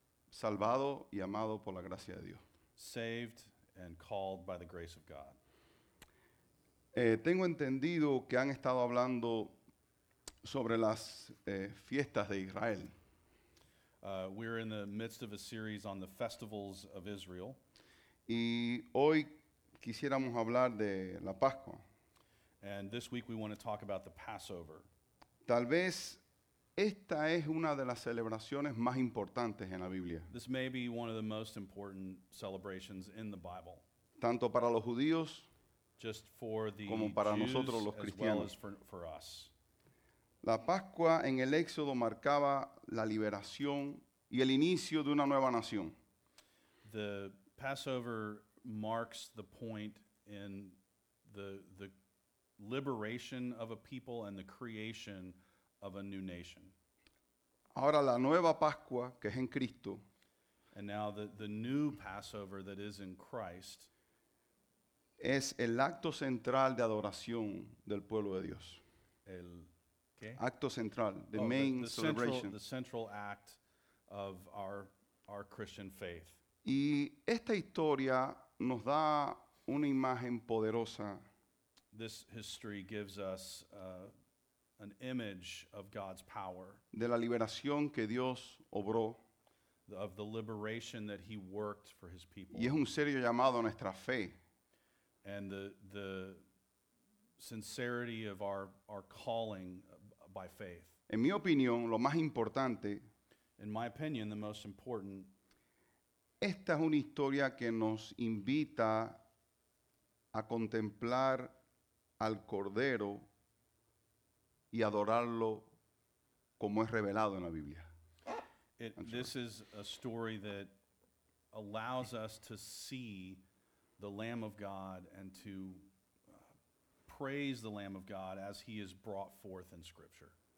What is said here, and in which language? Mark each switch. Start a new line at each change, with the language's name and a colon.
Spanish: Salvado y amado por la gracia de Dios.
English: Saved and called by the grace of God.
Spanish: Tengo entendido que han estado hablando sobre las fiestas de Israel.
English: We're in the midst of a series on the festivals of Israel.
Spanish: Y hoy quisiéramos hablar de la Pascua.
English: And this week we want to talk about the Passover.
Spanish: Tal vez esta es una de las celebraciones más importantes en la Biblia.
English: This may be one of the most important celebrations in the Bible.
Spanish: Tanto para los judíos
English: just for the
Spanish: como para
English: Jews,
Spanish: nosotros los cristianos.
English: As well as for us.
Spanish: La Pascua en el Éxodo marcaba la liberación y el inicio de una nueva nación.
English: The Passover marks the point in the liberation of a people and the creation of a new nation.
Spanish: Ahora la nueva Pascua que es en Cristo.
English: And now the new Passover that is in Christ
Spanish: es el acto central de adoración del pueblo de Dios. El ¿qué? Acto central,
English: the main the celebration. Central, the central act of our Christian faith.
Spanish: Y esta historia nos da una imagen poderosa.
English: This history gives us an image of God's power.
Spanish: De la liberación que Dios obró.
English: Of the liberation that he worked for his people.
Spanish: Y es un serio llamado a nuestra fe.
English: And the sincerity of our calling by faith.
Spanish: En mi opinión, lo más importante.
English: In my opinion, the most important.
Spanish: Esta es una historia que nos invita a contemplar al Cordero y adorarlo como es revelado en la Biblia.
English: This is a story that allows us to see the Lamb of God and to praise the Lamb of God as he is brought forth in Scripture.